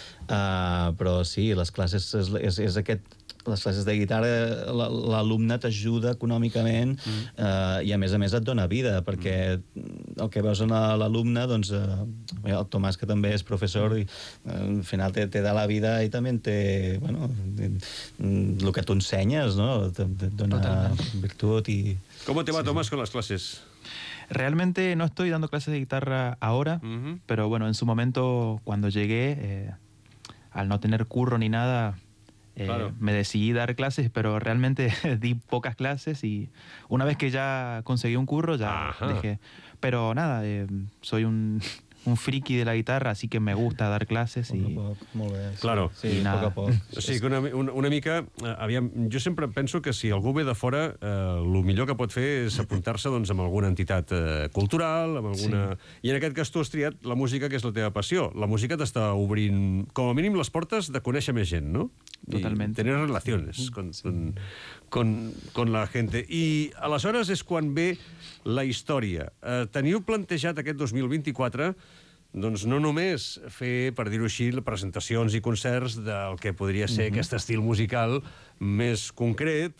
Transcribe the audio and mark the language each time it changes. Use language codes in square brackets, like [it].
[ca] Però sí, les classes és aquest, les classes de guitarra, l'alumne t'ajuda econòmicament i a més et dona vida, perquè el que veus en l'alumne, doncs el Tomàs, que també és professor i al final té de la vida i també té, bueno, el que tu ensenyes, no? Et dona virtut i... [es] ¿Cómo te va, Tomàs, con las clases? Realmente no estoy dando clases de guitarra ahora, uh-huh. pero bueno, en su momento, cuando llegué, al no tener curro ni nada, claro. me decidí dar clases, pero realmente di pocas clases y una vez que ya conseguí un curro, ya dejé. Pero nada, soy un un friki de la guitarra, así que me gusta dar clases [ca] y... Molt bé. [es] Claro. [ca] Sí, a poc a poc. O sigui, una mica, aviam, jo sempre penso que si algú ve de fora, lo millor que pot fer és apuntar-se, doncs, amb alguna entitat cultural, amb alguna... Sí. I en aquest cas tu has triat la música, que és la teva passió. La música t'està obrint, com a mínim, les portes de conèixer més gent, no? Totalment. Tenir relacions [es] con la gente. [ca] I aleshores és quan ve la història. Teniu plantejat aquest 2024, doncs, no només fer, per dir-ho així, presentacions i concerts del que podria ser aquest estil musical més concret.